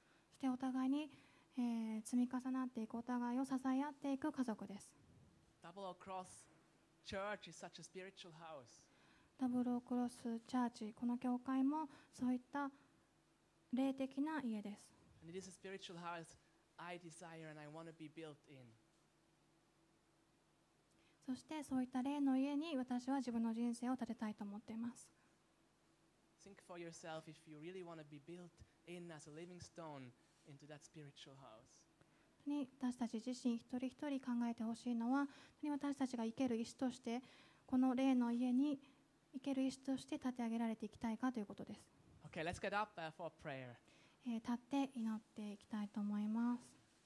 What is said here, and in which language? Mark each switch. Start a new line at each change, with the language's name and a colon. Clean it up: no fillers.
Japanese: そしてお互いに、積み重なっていく、お互いを支え合っていく家族です。
English: Double Cross Church is such a spiritual house.
Japanese: ダブルクロスチャーチ、この教会もそういった霊的な家です。
English: And it is a spiritual house I desire and I want to be built in.
Japanese: そしてそういった霊の家に私は自分の人生を建てたいと思っています。
English: Think for yourself if you really want to be built in as a living stone into that spiritual house.
Japanese: 私たち自身一人一人考えてほしいのは、私たちが生ける石としてこの霊の家に生ける石として建て上げられていきたいかということです。
English: Okay, let's get up for prayer.
Japanese: 立って祈っていきたいと思います。